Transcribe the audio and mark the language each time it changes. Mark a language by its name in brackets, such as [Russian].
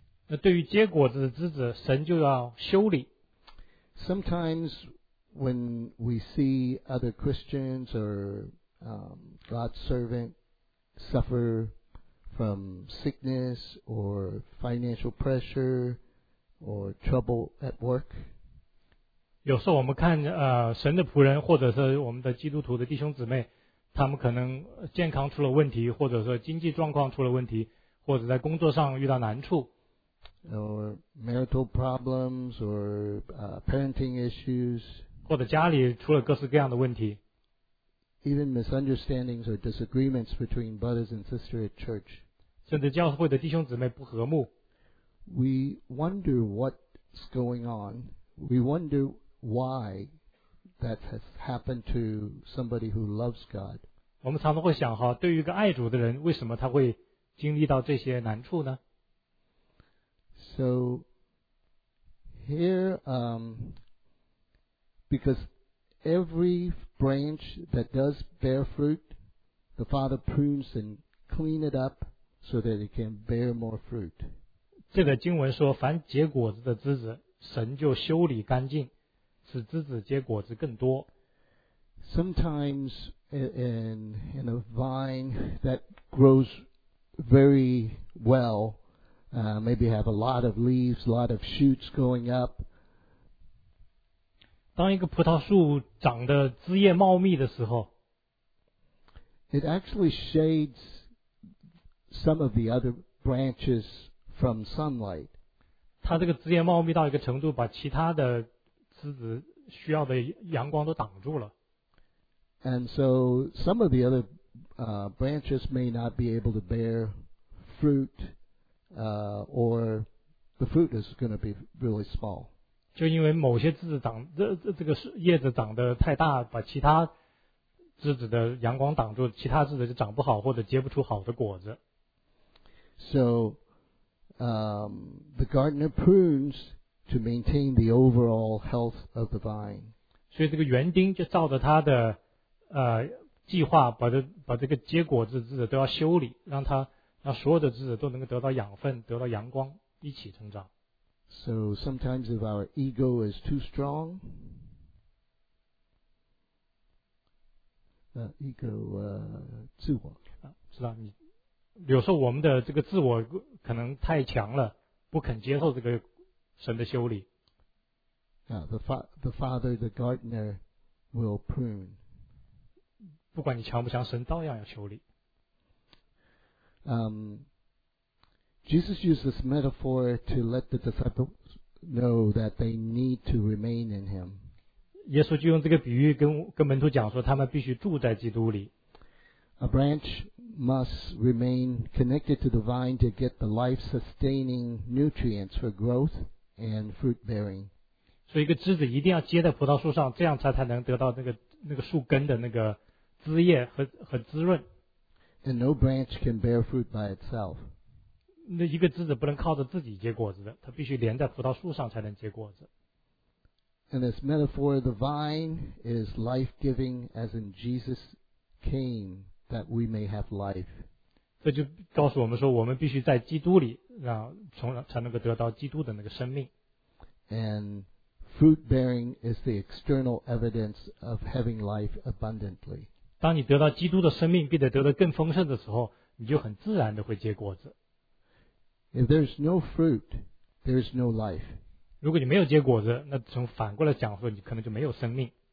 [Chinese] 那对于结果子的枝子，神就要修理。 [English] Sometimes when we see other Christians or God's servant suffer from sickness or financial pressure or trouble at work, [Chinese] 有时候我们看神的仆人或者是我们的基督徒的弟兄姊妹，他们可能健康出了问题，或者说经济状况出了问题，或者在工作上遇到难处。 [English] Or marital problems, or parenting issues, [Chinese] 或者家里出了各式各样的问题。 [English] Even misunderstandings or disagreements between brothers and sisters at church, [Chinese] 甚至教会的弟兄姊妹不和睦。 [English] We wonder what's going on. We wonder why that has happened to somebody who loves God. [Chinese] 我们常常会想哈，对于一个爱主的人，为什么他会经历到这些难处呢？ [English] So here, because every branch that does bear fruit, the Father prunes and clean it up so that it can bear more fruit. [Chinese] 这个经文说，凡结果子的枝子，神就修理干净，使枝子结果子更多。 [English] Sometimes in a vine that grows very well, maybe have a lot of leaves, a lot of shoots going up. [Chinese] 当一个葡萄树长得枝叶茂密的时候， [English] it actually shades some of the other branches from sunlight. [Chinese] 它这个枝叶茂密到一个程度，把其他的枝子需要的阳光都挡住了。 [English] And so some of the other branches may not be able to bear fruit, or the fruit is going to be really small. [Chinese] 就因为某些枝子长，这个叶子长得太大，把其他枝子的阳光挡住，其他枝子就长不好或者结不出好的果子。 [English] So, the gardener prunes to maintain the overall health of the vine. [Chinese] 所以这个园丁就照着他的计划把这个结果子枝子都要修理，让所有的枝子都能够得到养分，得到阳光，一起成长。 [English] So sometimes if our ego is too strong, ego 自我 [Chinese] 啊，知道你有时候我们的这个自我可能太强了，不肯接受这个神的修理。 [English] The father, the gardener will prune. [Chinese] 不管你强不强，神照样要修理。 [English] Jesus used this metaphor to let the disciples know that they need to remain in Him. [Chinese] 耶稣就用这个比喻跟门徒讲说，他们必须住在基督里。 [English] A branch must remain connected to the vine to get the life-sustaining nutrients for growth and fruit bearing. [Chinese] 所以，一个枝子一定要接在葡萄树上，这样才能得到那个树根的那个。枝叶和滋润。 [English] And no branch can bear fruit by itself. [Chinese] 那一个枝子不能靠着自己结果子的，它必须连在葡萄树上才能结果子。 [English] And this metaphor, the vine is life-giving, as in Jesus came that we may have life. [Chinese] 这就告诉我们说，我们必须在基督里，然后从才能够得到基督的那个生命。 [English] And fruit-bearing is the external evidence of having life abundantly. [Chinese] 当你得到基督的生命并且得到更丰盛的时候，你就很自然的会结果子。 [English] If there's no fruit, there's no life. [Chinese] 如果你没有结果子，那从反过来讲说，你可能就没有生命。